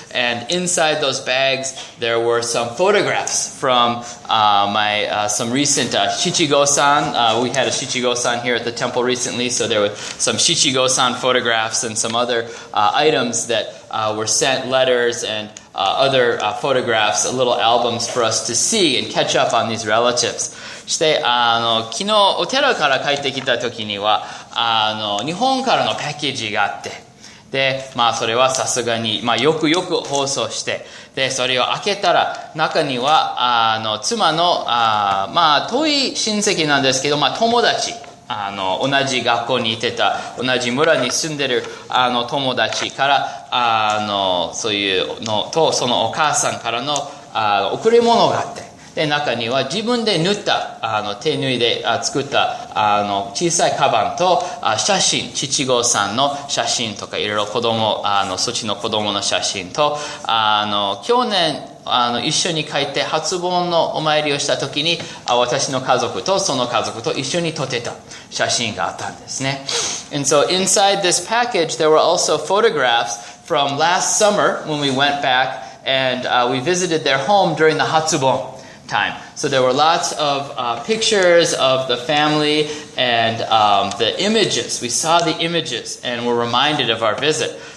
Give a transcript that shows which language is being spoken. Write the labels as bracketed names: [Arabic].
[English] And inside those bags, there were some photographs from some recent Shichigo-san. We had a Shichigo-san here at the temple recently, so there were some Shichigo-san photographs and some other items that were sent, letters and other photographs, little albums for us to see and catch up on these relatives. [Japanese] そして、昨日お寺から帰ってきた時には、日本からのパッケージがあって、で、まあそれはさすがに、まあよくよく放送して、で、それを開けたら、中には、妻の、まあ遠い親戚なんですけど、まあ友達。同じ学校にいてた、同じ村に住んでる、友達から、そういうのと、そのお母さんからの、贈り物があって、で、中には自分で縫った、手縫いで作った、小さいカバンと、写真、父子さんの写真とか、いろいろ子供、そっちの子供の写真と、去年、一緒に帰って初盆のお参りをした時に私の家族とその家族と一緒に撮ってた写真があったんですね。 [English] And so inside this package there were also photographs from last summer when we went back and we visited their home during the 初盆 time. So there were lots of pictures of the family and the images. We saw the images and were reminded of our visit.